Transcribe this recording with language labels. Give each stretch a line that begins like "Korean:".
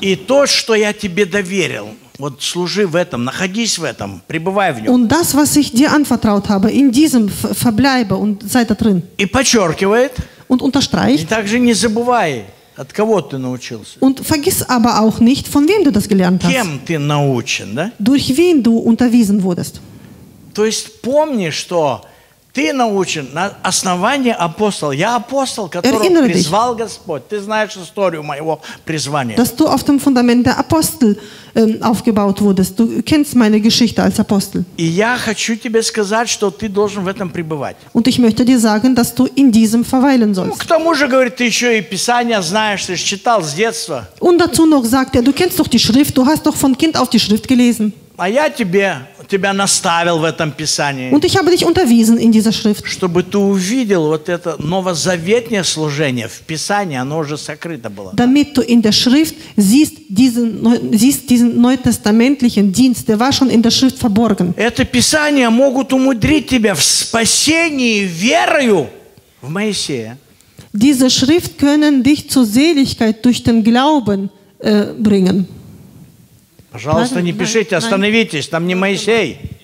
Russian: И то, что я тебе доверил. Вот служи в этом, находись в этом, пребывай в нем.
German: Und das, was ich dir anvertraut habe, in diesem verbleibe und sei da drin.
Russian: И подчеркивает.
German: Und unterstreicht.
Russian: И также не забывай, от кого ты научился.
German: Und vergiss aber auch nicht, von wem du das gelernt hast.
Russian: Кем ты научен, да?
German: Durch wen du unterwiesen wurdest.
Russian: То есть помни, что ты научен на основании апостола. Я апостол, которого призвал Господь. Ты знаешь историю моего призвания.
German: Dass du auf dem Fundament der Apostel aufgebaut wurdest. Du kennst meine Geschichte als Apostel.
Russian: И я хочу тебе сказать, что ты должен в этом пребывать.
German: Und ich möchte dir sagen, dass du in diesem verweilen sollst.
Russian: Ну, к тому же, говорит, ты еще и Писание знаешь, ты же читал с детства.
German: Und dazu noch sagt er, du kennst doch die Schrift, du hast doch von Kind auf die Schrift gelesen.
Russian: А я тебя наставил в этом Писании.
German: Und ich habe dich unterwiesen in dieser Schrift.
Russian: Чтобы ты увидел вот это новозаветнее служение в Писании, оно уже сокрыто было.
German: Damit du in der Schrift siehst diesen neutestamentlichen Dienst, der war schon in der Schrift verborgen.
Russian: Это Писание могут умудрить тебя в спасении верою в Моисея.
German: Diese Schrift können dich zur Seligkeit durch den Glauben bringen.
Russian: Пожалуйста, не пишите, остановитесь, там не Моисей.